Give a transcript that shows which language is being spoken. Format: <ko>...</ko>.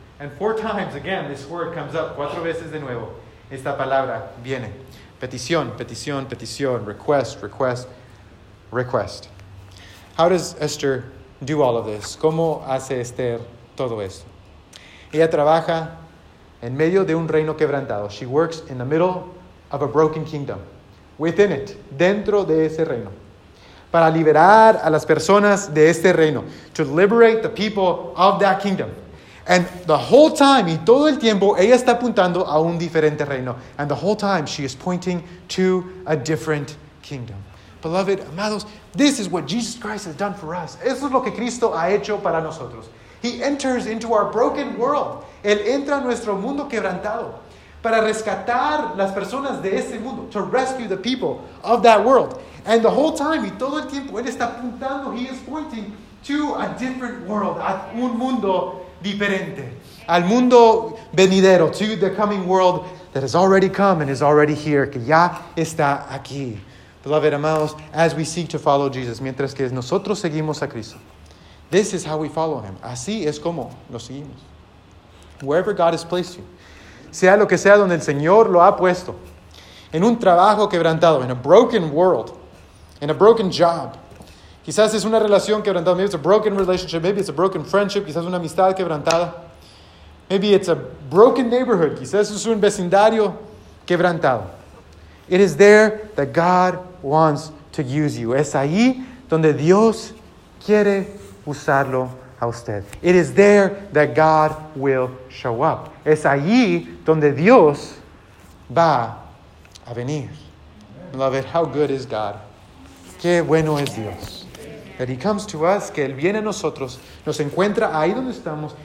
<en>And four times again, this word comes up,</en> <es>cuatro veces de nuevo, esta palabra viene. Petición, petición, petición,</es> <en>request, request, request. How does Esther do all of this?</en> <es>¿Cómo hace Esther todo esto? Ella trabaja en medio de un reino quebrantado.</es> <en>She works in the middle of a broken kingdom. Within it,</en> <es>dentro de ese reino. Para liberar a las personas de este reino.</es> <en>To liberate the people of that kingdom. And the whole time,</en> <es>y todo el tiempo, ella está apuntando a un diferente reino.</es> <en>And the whole time, she is pointing to a different kingdom. Beloved, amados, this is what Jesus Christ has done for us.</en> <es>Eso es lo que Cristo ha hecho para nosotros.</es> <en>He enters into our broken world.</en> <es>Él entra a nuestro mundo quebrantado para rescatar las personas de ese mundo.</es> <en>To rescue the people of that world. And the whole time,</en> <es>y todo el tiempo, él está apuntando,</es> <en>he is pointing to a different world,</en> <es>a un mundo diferente, al mundo venidero,</es> <en>to the coming world that has already come and is already here,</en> <es>que ya está aquí.</es> <en>Beloved, amados, as we seek to follow Jesus,</en> <es>mientras que nosotros seguimos a Cristo,</es> <en>this is how we follow him.</en> <es>Así es como lo seguimos.</es> <en>Wherever God has placed you,</en> <es>sea lo que sea donde el Señor lo ha puesto, en un trabajo quebrantado,</es> <en>in a broken world, in a broken job,</en> <es>quizás es una relación quebrantada.</es> <en>Maybe it's a broken relationship. Maybe it's a broken friendship.</en> <es>Quizás una amistad quebrantada.</es> <en>Maybe it's a broken neighborhood.</en> <es>Quizás es un vecindario quebrantado.</es> <en>It is there that God wants to use you.</en> <es>Es ahí donde Dios quiere usarlo a usted.</es> <en>It is there that God will show up.</en> <es>Es allí donde Dios va a venir.</es> <en>Beloved, how good is God?</en> <es>Qué bueno es Dios.</es> <en>That he comes to us,</en> <es>que él viene a nosotros, nos encuentra ahí donde estamos.</es>